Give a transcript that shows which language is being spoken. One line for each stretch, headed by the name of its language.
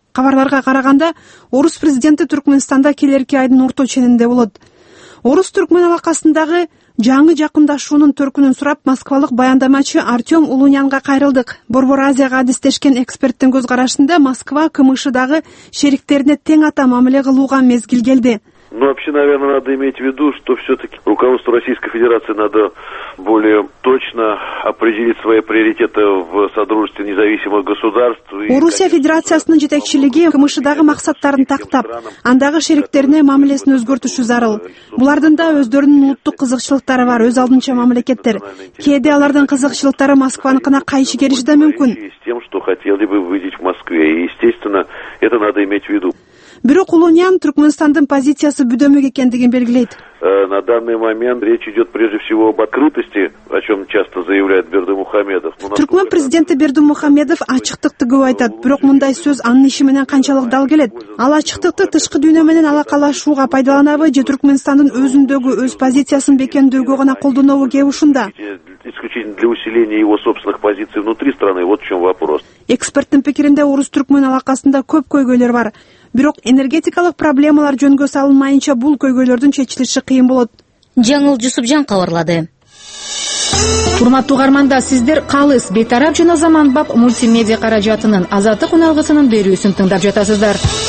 Kyrgyz: Кабарларга караганда орус президенти Түркмөнстанда келерки айдын орто ченинде болот. Орус түркмөн алакасындагы жаңы жакындашуунун төркүнүн сурап москвалык баяндамачы Артем Улунянга кайрылдык. Борбор Азияга адистешкен эксперттин көз карашында Москва КМШдагы шериктерине тең ата мамиле кылууга мезгил келди.
Russian: Ну вообще, наверное, надо иметь в виду, что все-таки руководству Российской Федерации надо более точно определить свои приоритеты в содружестве независимых государств.
Kyrgyz: Орусия Федерациясынын жетекчилиги КМШдагы максаттарын тактап, андагы шериктерине мамилесин өзгөртүшү зарыл. Булардын да өздөрүнүн улуттук кызыкчылыктары бар, өз алдынча мамлекеттер. Кээде алардын кызыкчылыктары Москванкына кайшы келиши да мүмкүн.
Russian: С тем, что хотели бы видеть в Москве. И, естественно, это надо иметь в виду.
Kyrgyz: Бирок Улунян Түркмөнстандын позициясы бүдөмөк экендигин белгилейт.
Russian: На данный момент речь идет прежде всего об открытости, о чем часто заявляет Бердимухамедов.
Kyrgyz: Түркмөн президенти Бердимухамедов ачыктыкты көп айтат, бирок мындай сөз анын иши менен канчалык дал келет? Ал ачыктыкты тышкы дүйнө менен алакалашууга пайдаланабы же Түркмөнстандын өзүндөгү өз позициясын бекемдөөгө гана колдонобу? Кеп ушунда.
Russian: исключительно для усиления его собственных позиций внутри страны, вот в чем вопрос.
Kyrgyz: Эксперттин пикиринде Орус-Түркмөн алакасында көп көйгөйлөр бар. Бирок энергетикалык проблемалар жөнгө салынмайынча бул көйгөйлөрдүн чечилиши кыйын болот. Жаңыл Жусупжан кабарлады. Урматтуу каармандар, сиздер калыс, бейтарап жана заманбап мультимедиа каражатынын азаттык уналгысынын берүүсүн тыңдап жатасыздар.